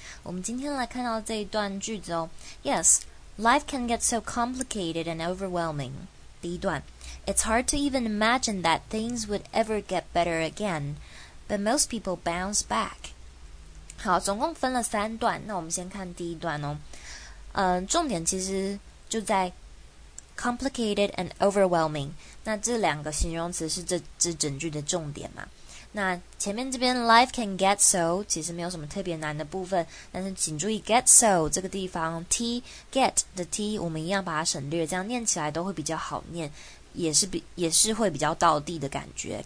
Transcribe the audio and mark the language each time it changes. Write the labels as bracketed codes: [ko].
[zh] 我们今天来看到这一段句子哦。 [en] Yes, life can get so complicated and overwhelming. [zh] 第一段， [en] It's hard to even imagine that things would ever get better again, but most people bounce back. [zh] 好，总共分了三段，那我们先看第一段哦。重点其实就在 [en] complicated and overwhelming， [zh] 那这两个形容词是 这整句的重点嘛。那前面这边 [en] life can get so， [zh] 其实没有什么特别难的部分，但是请注意 [en] get so [zh] 这个地方 [en] T get [zh] 的 [en] T [zh] 我们一样把它省略，这样念起来都会比较好念，也是会比较道地的感觉。